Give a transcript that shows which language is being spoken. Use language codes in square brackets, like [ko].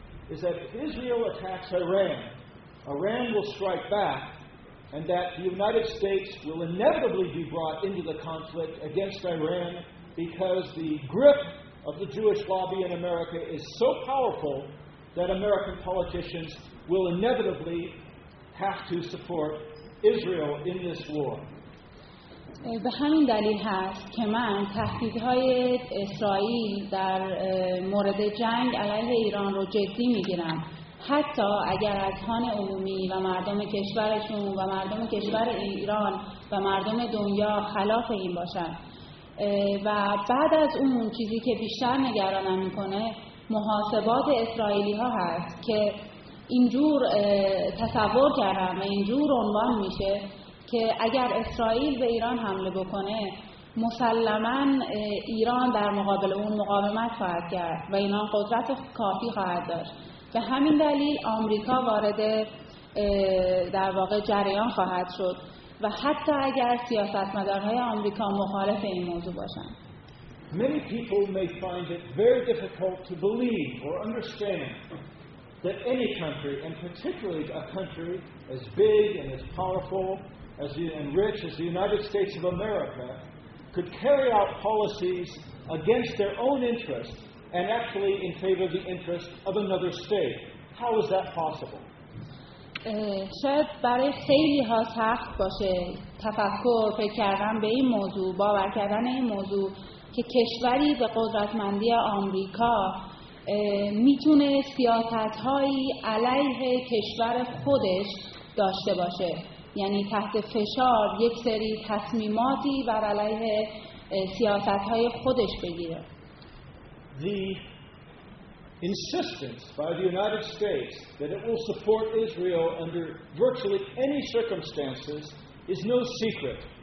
[en] is that if Israel attacks Iran, Iran will strike back, and that the United States will inevitably be brought into the conflict against Iran, because the grip of the Jewish lobby in America is so powerful that American politicians will inevitably have to support Israel in this war. [fa] به همین دلیل هست که من تهدیدهای اسرائیل در مورد جنگ علیه ایران رو جدی میگیرم، حتی اگر اذهان عمومی و مردم کشورشون و مردم کشور ایران و مردم دنیا خلاف این باشن. و بعد از اون چیزی که بیشتر نگرانم میکنه محاسبات اسرائیلی ها هست که اینجور تصور کردم و اینجور عنوان میشه که اگر اسرائیل به ایران حمله بکنه مسلماً ایران در مقابل اون مقاومت خواهد کرد و اینا قدرت کافی خواهد داشت. به همین دلیل آمریکا وارد در واقع جریان خواهد شد و حتی اگر سیاستمدارهای آمریکا مخالف این موضوع باشند. [en] Many people may find it very difficult to believe or understand that any country, and particularly a country as big and as powerful and rich as the United States of America, could carry out policies against their own interests and actually in favor of the interests of another state. How is that possible? [fa] شاید برای خیلی ها سخت باشه تفکر، فکر کردن به این موضوع، باور کردن این موضوع که کشوری به قدرتمندی آمریکا میتونه سیاست‌هایی علیه کشور خودش داشته باشه، یعنی تحت فشار یک سری تصمیماتی بر علیه سیاست‌های خودش بگیره. [en] The insistence by the United States that it will support Israel under virtually any circumstances is no secret.